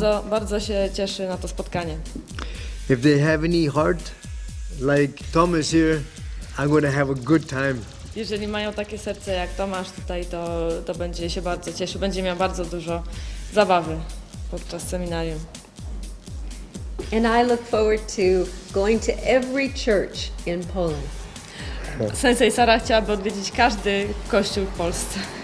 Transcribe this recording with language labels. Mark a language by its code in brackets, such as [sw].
[pl] Bardzo się cieszy na to spotkanie. [en] If they have any heart, like Thomas here, I'm gonna have a good time. [pl] Jeżeli mają takie serce jak Tomasz tutaj, to będzie się bardzo cieszył, będzie miał bardzo dużo zabawy podczas seminarium. [en] And I look forward to going to every church in Poland. [pl] Sensei Sara chciałaby odwiedzić każdy kościół w Polsce.